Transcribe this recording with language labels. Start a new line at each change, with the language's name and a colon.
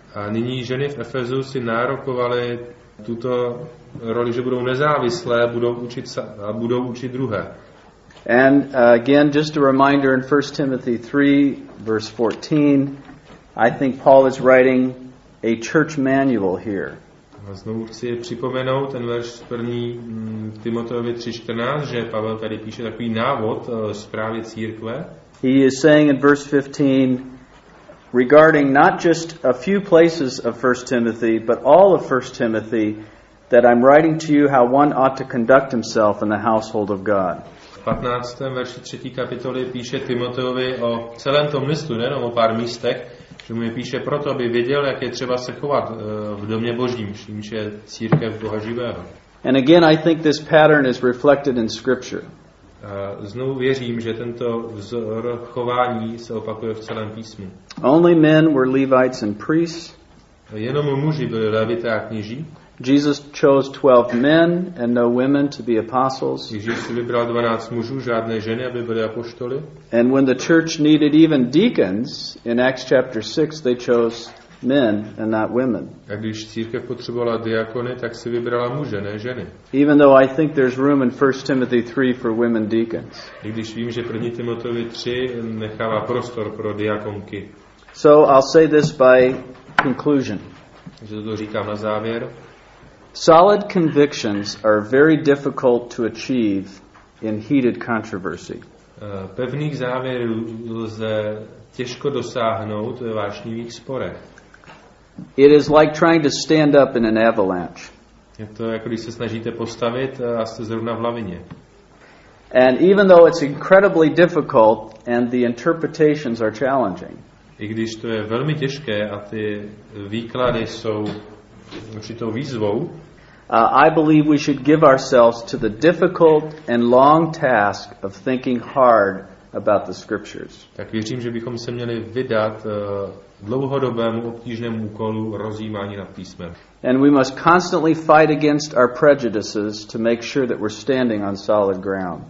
Czech: A nyní ženy v Efezu si nárokovaly tuto roli, že budou nezávislé, budou učit druhé.
English: And again, just a reminder in 1 Timothy 3, verse 14, I think Paul is writing a church manual here.
Czech: A znovu chci připomenout ten verš z 1. Timoteovi 3:14, že Pavel tady píše takový návod zprávy církve.
English: He is saying in verse 15, regarding not just a few places of 1 Timothy, but all of 1 Timothy, that I'm writing to you how one ought to conduct himself in the household of God.
Czech: 15. verši 3. kapitoly píše Timoteovi o celém tom listu, nejenom o pár místech, že mu je píše proto, aby věděl, jak je třeba se chovat v domě Božím, čímž je církev Boha živého.
English: And again, I think this pattern is reflected in scripture.
Czech: Znovu věřím, že tento vzor chování se opakuje v celém písmu.
English: Only men were Levites and priests.
Czech: Jenom muži byli levité a kněží.
English: Jesus chose 12 men and no women to be apostles.
Czech: Ježíš si vybral 12 mužů, žádné ženy, aby byly apoštoly.
English: And when the church needed even deacons in Acts chapter 6, they chose men and not women.
Czech: A když církev potřebovala diakony, tak si vybrala muže, ne ženy.
English: Even though I think there's room in 1 Timothy 3 for women deacons.
Czech: I když vím, že 1. Timoteovi 3 nechává prostor pro diakonky.
English: So I'll say this by conclusion.
Czech: Že to říkám na závěr.
English: Solid convictions are very difficult to achieve in heated controversy.
Czech: Pevných závěrů lze těžko dosáhnout ve vášnivých sporech.
English: It is like trying to stand up in an avalanche.
Czech: Je to jako když se snažíte postavit a jste zrovna v lavině.
English: And even though it's incredibly difficult and the interpretations are challenging.
Czech: I když to je velmi těžké a ty výklady jsou určitou výzvou.
English: I believe we should give ourselves to the difficult and long task of thinking hard about the scriptures.
Czech: Tak věřím, že bychom se měli vydat dlouhodobému obtížnému úkolu rozjímání nad písmem.
English: And we must constantly fight against our prejudices to make sure that we're standing on solid ground.